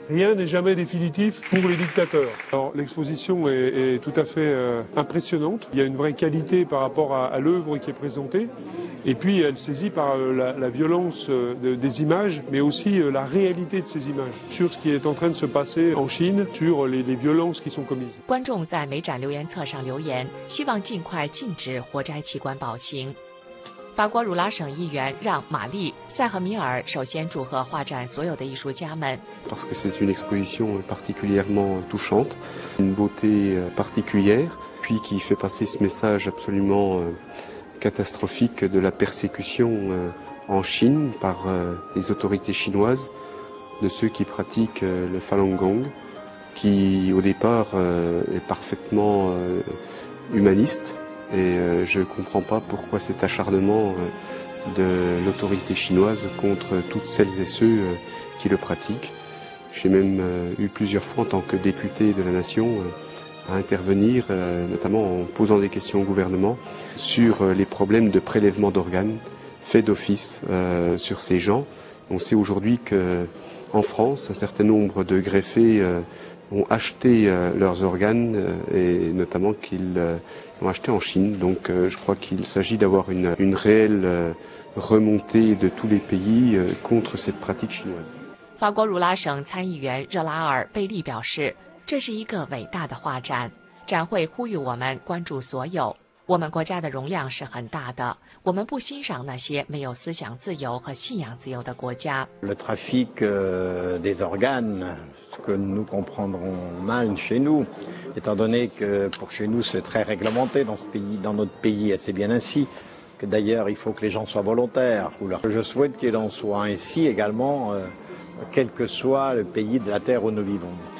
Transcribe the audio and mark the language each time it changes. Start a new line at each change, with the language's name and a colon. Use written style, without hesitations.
French: Rien n'est jamais définitif pour les dictateurs. Alors, l'exposition est tout à fait impressionnante. Il y a une vraie qualité par rapport à l'œuvre qui est présentée. Et puis, elle saisit par la violence des images, mais aussi la réalité de ces images sur ce qui est en train de se passer en Chine, sur les violences qui sont commises.
Chinese: 观众在美展留言册上留言，希望尽快禁止活摘器官暴行。法国儒拉省议员让·玛丽·塞赫米尔首先祝贺画展所有的艺术家们。
French: Parce que c'est une exposition particulièrement touchante, une beauté particulière, puis qui fait passer ce message absolument catastrophique de la persécution en Chine par les autorités chinoises de ceux qui pratiquent le Falun Gong, qui au départ est parfaitement humaniste. Et je ne comprends pas pourquoi cet acharnement de l'autorité chinoise contre toutes celles et ceux qui le pratiquent. J'ai même eu plusieurs fois en tant que député de la nation à intervenir, notamment en posant des questions au gouvernement, sur les problèmes de prélèvement d'organes faits d'office sur ces gens. On sait aujourd'hui qu'en France, un certain nombre de greffés ont acheté leurs organes et notamment qu'ils ont acheté en Chine. Donc je crois qu'il s'agit d'avoir une réelle remontée de tous les pays contre cette pratique chinoise.
Chinese: 法国儒拉省参议员热拉尔·贝利表示，这是一个伟大的画展，展会呼吁我们关注所有。我们国家的容量是很大的，我们不欣赏那些没有思想自由和信仰自由的国家。
French: Le trafic des organes. Que nous comprendrons mal chez nous, étant donné que pour chez nous c'est très réglementé dans ce pays, dans notre pays, et c'est bien ainsi que d'ailleurs il faut que les gens soient volontaires. Je souhaite qu'il en soit ainsi également, quel que soit le pays de la terre où nous vivons.